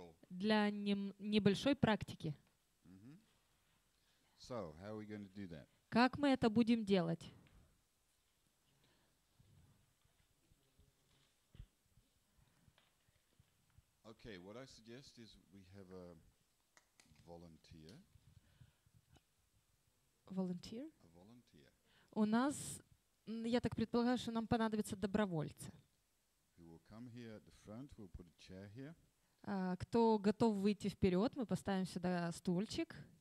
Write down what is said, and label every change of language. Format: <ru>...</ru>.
<ru>для небольшой практики.</ru> <en>So, how are we going to do that?</en> <ru>Как мы это будем делать?</ru> <en>Okay, what I suggest is we have a volunteer. Volunteer? A volunteer.</en> <ru>У нас, я так предполагаю, что нам понадобятся добровольцы.</ru> <en>Who will come here at the front, we'll put a chair here.</en> <ru>Кто готов выйти вперед, мы поставим сюда стульчик.</ru>